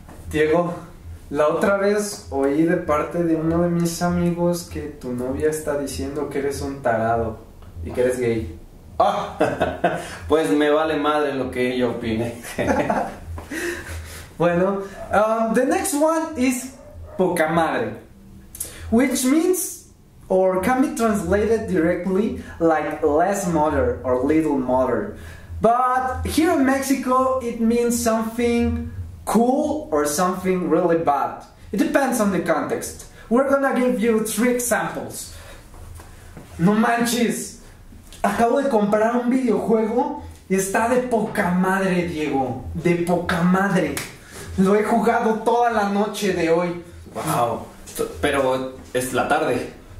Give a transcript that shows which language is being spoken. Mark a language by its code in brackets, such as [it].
[es] Diego, la otra vez oí de parte de uno de mis amigos que tu novia está diciendo que eres un tarado y que eres gay. Oh, pues me vale madre lo que ella opine. Bueno, [en] the next one is poca madre, which means or can be translated directly like less mother or little mother. But here in Mexico, it means something cool or something really bad. It depends on the context. We're gonna give you three examples. [es] No manches, acabo de comprar un videojuego y está de poca madre, Diego. De poca madre. Lo he jugado toda la noche de hoy. Wow, pero es la tarde.